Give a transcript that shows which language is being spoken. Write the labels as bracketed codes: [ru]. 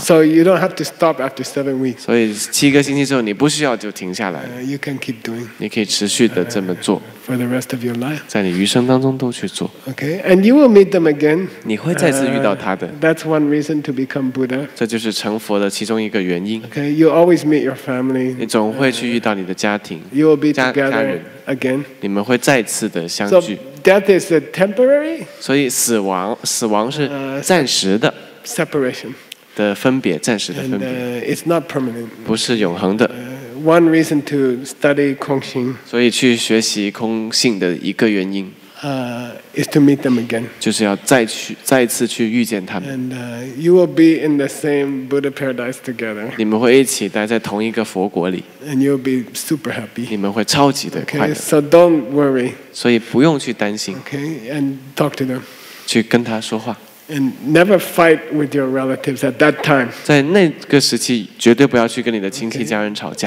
[en] So you don't have to stop after 7 weeks. [zh] 所以七个星期之后，你不需要就停下来。 [en] You can keep doing. [zh] 你可以持续的这么做。 [en] For the rest of your life. [zh] 在你余生当中都去做。 [en] Okay, and you will meet them again. [zh] 你会再次遇到她的。 [en] That's one reason to become Buddha. [zh] 这就是成佛的其中一个原因。 [en] Okay, you always meet your family. [zh] 你总会去遇到你的家庭。 [en] You will be together again. [zh] 你们会再次的相聚。 [en] So death is a temporary. [zh] 所以死亡是暂时的。 [en] Separation. [zh] 的分别，暂时的分别。 [en] And it's not permanent. [zh] 不是永恒的。 [en] One reason to study 空性， [zh] 所以去学习空性的一个原因， [en] is to meet them again， [zh] 就是要再次去遇见他们。 [en] And you will be in the same Buddha paradise together。 [zh] 你们会一起待在同一个佛国里。 [en] And you will be super happy。 [zh] 你们会超级的快乐。 [en] Okay, so don't worry。 [zh] 所以不用去担心。 [en] Okay, and talk to them。 [zh] 去跟他说话。 [en] And never fight with your relatives at that time. [zh] 在那个时期，绝对不要去跟你的亲戚家人吵架。